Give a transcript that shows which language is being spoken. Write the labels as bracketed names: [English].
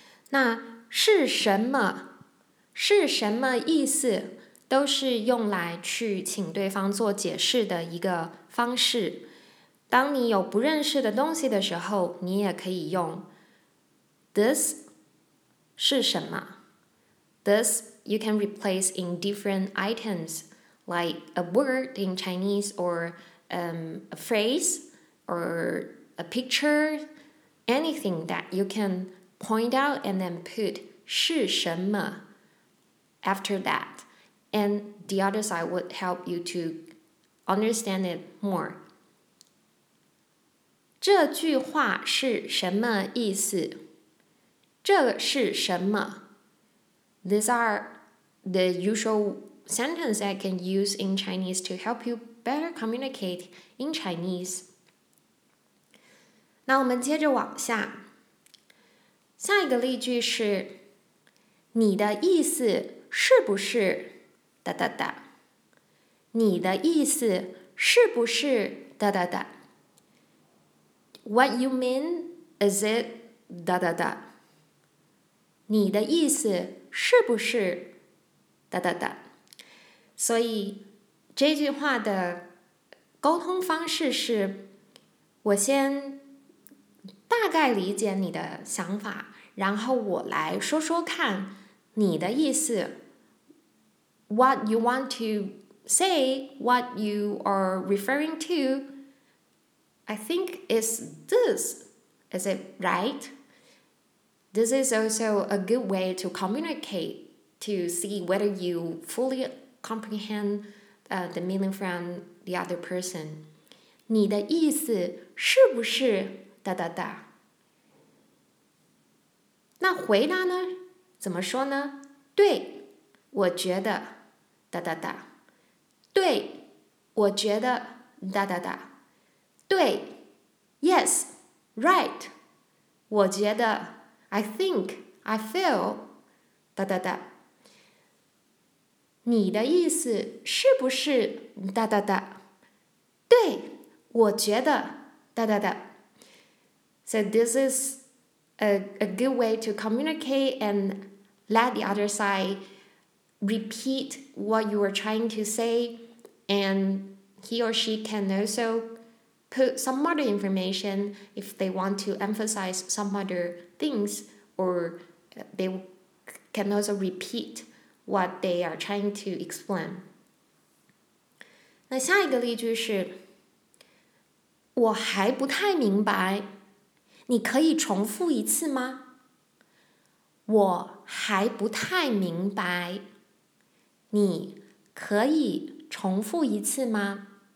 [Chinese] 那是什么？是什么意思？都是用来去请对方做解释的一个方式。当你有不认识的东西的时候，你也可以用 this 是什么？ [English] This you can replace in different items. Like a word in Chinese or a phrase or a picture, anything that you can point out and then put [Chinese] 是什么 [English] after that. And the other side would help you to understand it more. [Chinese] 这句话是什么意思？这是什么？ [English] These are the usualsentence I can use in Chinese to help you better communicate in Chinese. [Chinese] 那我们接着往下。下一个例句是，你的意思是不是哒哒哒？你的意思是不是哒哒哒？ [English] What you mean is it哒哒哒？ [Chinese] 你的意思是不是哒哒哒？所以这句话的沟通方式是，我先大概理解你的想法，然后我来说说看你的意思。 [English] What you want to say, what you are referring to, I think is this. Is it right? This is also a good way to communicate, to see whether you fully comprehend the meaning from the other person. [Chinese] 你的意思是不是哒哒哒？那回答呢？怎么说呢？对，我觉得哒哒哒。对，我觉得哒哒哒。对 ， [English] Yes, right. [Chinese] 我觉得 [English] ，I think, I feel, 哒哒哒。 [Chinese] 你的意思是不是哒哒哒？对，我觉得哒哒哒。 [English] So this is a good way to communicate and let the other side repeat what you were trying to say, and he or she can also put some other information if they want to emphasize some other things, or they can also repeat what they are trying to explain. [Chinese] 那下一个例句是，我还不太明白，你可以重复一次吗？我还不太明白，你可以重复一次吗？